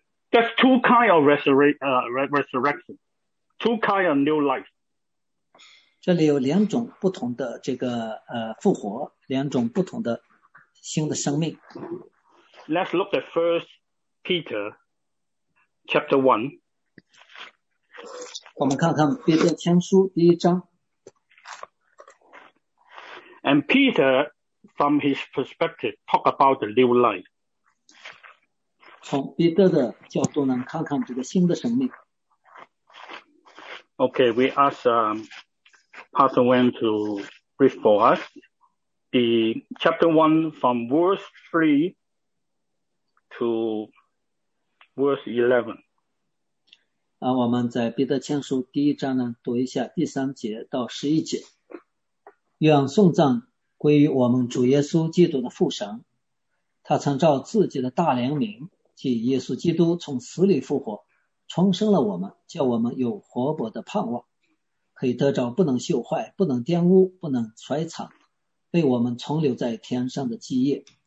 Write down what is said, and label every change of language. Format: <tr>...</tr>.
<en>？There's two kind of resurrection, two kind of new life.</en> <zh>这里有两种不同的这个复活，两种不同的新的生命。</zh> <en>Let's look at First Peter chapter one.</en> <zh>我们看看彼得前书第一章。</zh> <en>And Peter, from his perspective, talk about the new life.</en> <zh>从彼得的角度呢，看看这个新的生命。</zh> <en>Okay, we ask Pastor Wen to read for us the chapter 1 from verse 3 to verse 11.</en> <zh>我们在彼得前书第一章呢读一下第三节到十一节。愿颂赞归于我们主耶稣基督的父神，他曾照自己的大怜悯，即耶稣基督从死里复活，重生了我们，叫我们有活泼的盼望，可以得着不能朽坏、不能玷污、不能衰残、被我们存留在天上的基业。</zh>